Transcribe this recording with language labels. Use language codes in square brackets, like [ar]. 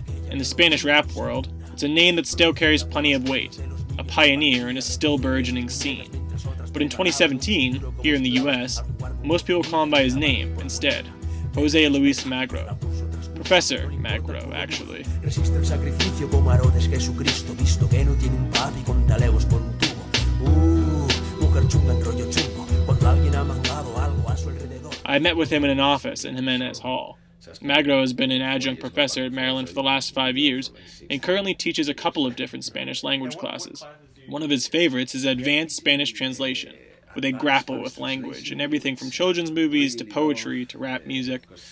[en] In the Spanish rap world, it's a name that still carries plenty of weight, a pioneer in a still burgeoning scene. But in 2017, here in the US, most people call him by his name instead, José Luis Magro. Professor Magro, actually. [es] Resiste el sacrificio como Herodes Jesucristo, visto que no tiene un papi con talegos por un tubo. Mujer chunga en rollo chungo, cuando alguien ha mandado algo a su alrededor. [en] I met with him in an office in Jimenez Hall. Magro has been an adjunct professor at Maryland for the last 5 years, and currently teaches a couple of different Spanish language classes. One of his favorites is Advanced Spanish Translation, where they grapple with language and everything from children's movies to poetry to rap music.